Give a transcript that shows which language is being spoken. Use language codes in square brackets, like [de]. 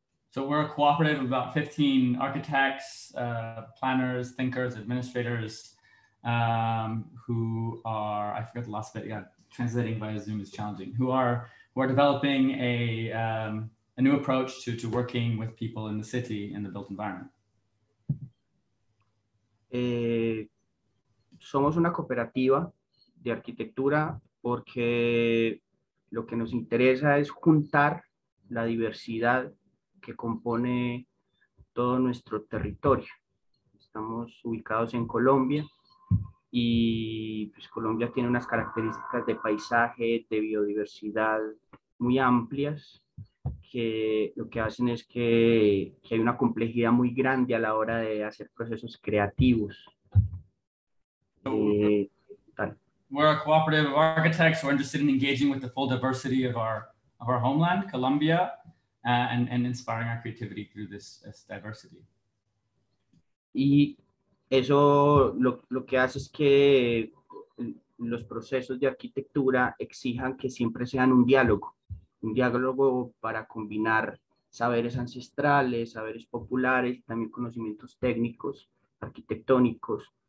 [en] So we're a cooperative of about 15 architects, planners, thinkers, administrators, who are, I forget the last bit, yeah, translating via Zoom is challenging, who are developing a new approach to working with people in the city in the built environment. [es] Somos una cooperativa de arquitectura porque lo que nos interesa es juntar la diversidad que compone todo nuestro territorio. Estamos ubicados en Colombia y pues Colombia tiene unas características de paisaje, de biodiversidad muy amplias que lo que hacen es que hay una complejidad muy grande a la hora de hacer procesos creativos. [en] We're a cooperative of architects who are interested in engaging with the full diversity of our homeland, Colombia, and inspiring our creativity through this diversity. [es] Y eso lo que hace es que los procesos de arquitectura exijan que siempre sean un diálogo para combinar saberes ancestrales, saberes populares, también conocimientos técnicos, arquitectónicos.